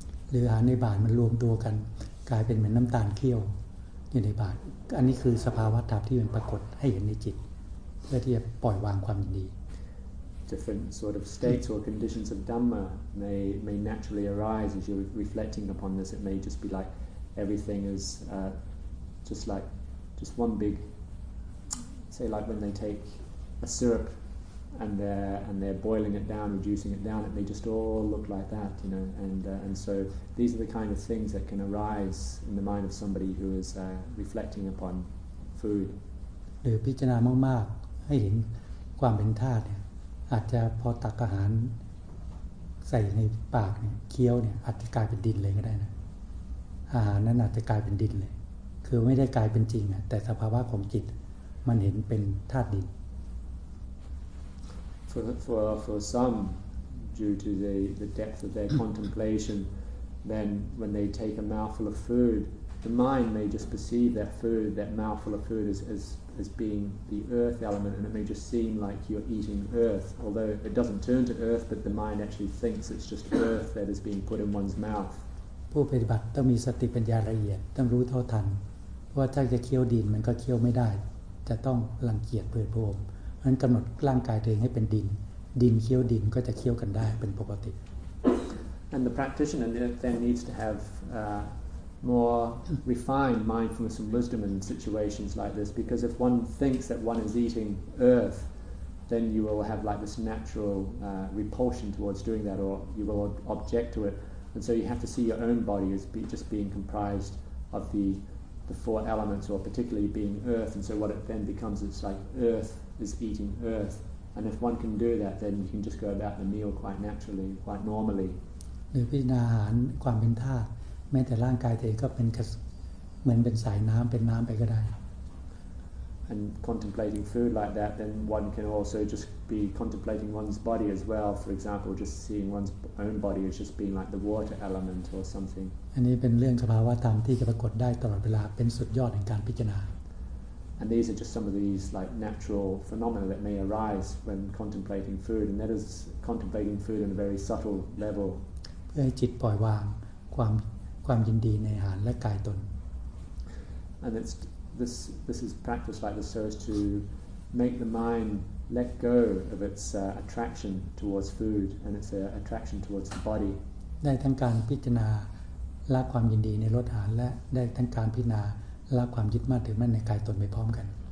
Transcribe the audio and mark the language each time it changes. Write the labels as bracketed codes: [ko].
[th] หรืออาหารในบาตรมันรวมตัวกันกลายเป็นเหมือนน้ำตาลเคี้ยวอยู่ในบาตรอันนี้คือสภาวะธรรมที่มันปรากฏให้เห็นในจิตเพื่อที่จะปล่อยวางความยินดี [en] different sort of states or conditions of dhamma may naturally arise as you're reflecting upon this it may just be like everything is just like just one big say like when they take a syrupand they're boiling it down reducing it down it may just all look like that you know and so these are the kind of things that can arise in the mind of somebody who is reflecting upon food [th] หรือพิจารณามากๆให้เห็นความเป็นธาตุเนี่ยอาจจะพอตักอาหารใส่ในปากเนี่ยเคี้ยวเนี่ยอาจจะกลายเป็นดินเลยก็ได้นะอาหารนั้นอาจจะกลายเป็นดินเลยคือไม่ได้กลายเป็นจริงอ่ะแต่สภาวะของจิตมันเห็นเป็นธาตุดิน [en] For some, due to the depth of their contemplation, then when they take a mouthful of food, the mind may just perceive that food, that mouthful of food, as being the earth element, and it may just seem like you're eating earth, although it doesn't turn to earth, but the mind actually thinks it's just earth that is being put in one's mouth. [th] ผู้ปฏิบัติต้องมีสติปัญญาละเอียดต้องรู้เท่าทันว่าถ้าจะเคี้ยวดินมันก็เคี้ยวไม่ได้จะต้องรังเกียจเปิดโพรงมันกำหนดร่างกายตัวเองให้เป็นดินดินเคี้ยวดินก็จะเคี้ยวกันได้เป็นปกติ [en] And the practitioner then needs to have more refined mindfulness and wisdom in situations like this because if one thinks that one is eating earth then you will have like this natural repulsion towards doing that or you will object to it and so you have to see your own body as just being comprised of the four elements or particularly being earth and so what it then becomes it's like earthis eating earth and if one can do that then you can just go about the meal quite naturally quite normally [th] หรือพิจารณาอาหารความเป็นธาตุแม้แต่ร่างกายเองก็เป็นเหมือนเป็นสายน้ำเป็นน้ำไปก็ได้ [en] and contemplating food like that then one can also just be contemplating one's body as well for example just seeing one's own body as just being like the water element or something [th] อันนี้เป็นเรื่องสภาวะธรรมที่จะปรากฏได้ตลอดเวลาเป็นสุดยอดแห่งการพิจารณา [en] And these are just some of these like natural phenomena that may arise when contemplating food, and that is contemplating food on a very subtle level. [th] เพื่อให้จิตปล่อยวางความยินดีในอาหารและกายตน [en] And it's this is practice like this so as to make the mind let go of its attraction towards food and its attraction towards the body. [th] ได้ทั้งการพิจารณาละความยินดีในรสอาหารและได้ทั้งการพิจารณาละความยึดมั่นถือมั่นในกายตนไปพร้อมกัน